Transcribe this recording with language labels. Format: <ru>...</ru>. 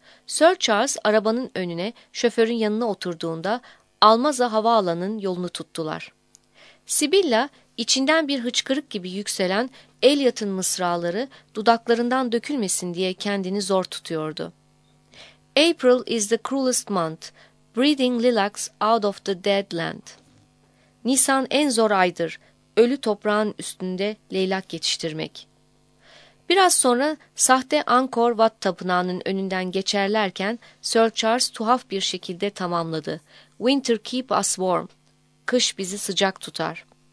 <tr>Sir Charles arabanın önüne şoförün yanına oturduğunda Almaza Havaalanı'nın yolunu tuttular. Sibilla içinden bir hıçkırık gibi yükselen Elliot'ın mısraları dudaklarından dökülmesin diye kendini zor tutuyordu.</tr> <en>April is the cruelest month, breathing lilacs out of the dead land.</en> <tr>Nisan en zor aydır, ölü toprağın üstünde leylak yetiştirmek. Biraz sonra sahte Angkor Wat Tapınağı'nın önünden geçerlerken Sir Charles tuhaf bir şekilde tamamladı.</tr> <en>Winter keep us warm.</en> <tr>Kış bizi sıcak tutar.</tr>